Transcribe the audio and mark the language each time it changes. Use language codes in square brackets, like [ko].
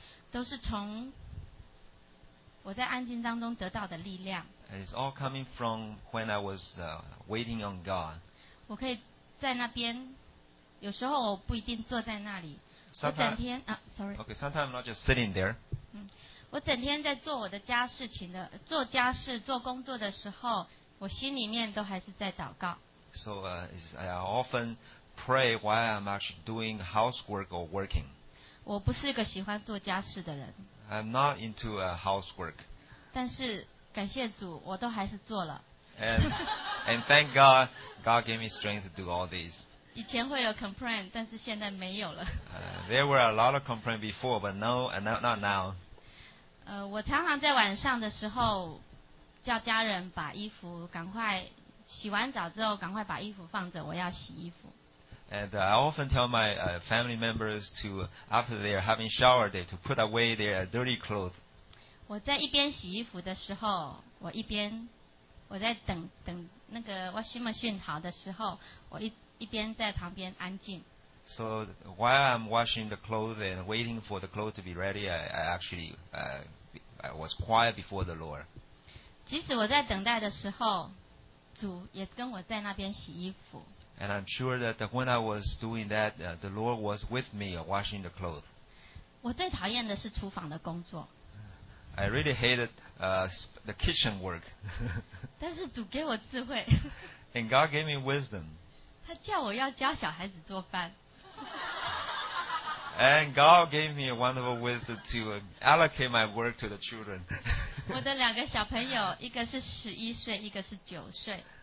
[zh] 都是从我在安静当中得到的力量。 [en] It's all coming from when I was waiting on God. [zh] 我可以在那边，有时候我不一定坐在那里。 [en] Okay, sometimes I'm not just sitting there. [zh] 我整天在做我的家事情的，做家事做工作的时候。我心里面都还是在祷告。 [en] So I often pray while I'm actually doing housework or working. [zh] 我不是一个喜欢做家事的人。 [en] I'm not into housework. [zh] 但是感谢主，我都还是做了。 [en] And thank God, God gave me strength to do all these. [zh] 以前会有 complain, 但是现在没有了。 [en] There were a lot of complaints before, but no, not now. [zh] 我常常在晚上的时候。叫家人把衣服赶快洗完澡之后赶快把衣服放着，我要洗衣服。 [en] And I often tell my family members to after they are having shower day to put away their dirty clothes. [zh] 我在一边洗衣服的时候，我在等那个 [en] washing machine [zh] 好的时候，我一边在旁边安静。 [en] So while I'm washing the clothes and waiting for the clothes to be ready, I was quiet before the Lord. [zh] 即使我在等待的时候，主也跟我在那边洗衣服。 [en] And I'm sure that when I was doing that, the Lord was with me washing the clothes. [zh] 我最讨厌的是厨房的工作。 [en] I really hated the kitchen work. [zh] 但是主给我智慧。 [en] And God gave me wisdom. [zh] 他叫我要教小孩子做饭。 [en] And God gave me a wonderful wisdom to allocate my work to the children. [zh] 我的两个小朋友，一个是11岁，一个是9岁。